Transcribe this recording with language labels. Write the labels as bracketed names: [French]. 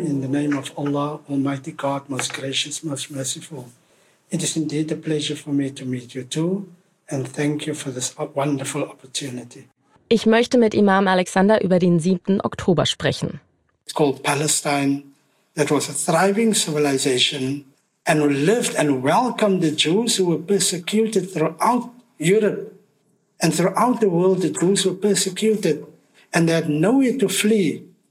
[English] In the name of Allah, Almighty God, most gracious, most merciful. It is indeed a pleasure for me to meet you too and thank you for this wonderful opportunity. [German] Ich möchte mit Imam Alexander über den 7. Oktober sprechen. [English] It's called Palestine, that was a thriving civilization and lived and welcomed the Jews who were persecuted throughout Europe and throughout the world. The Jews were persecuted and they had nowhere to flee.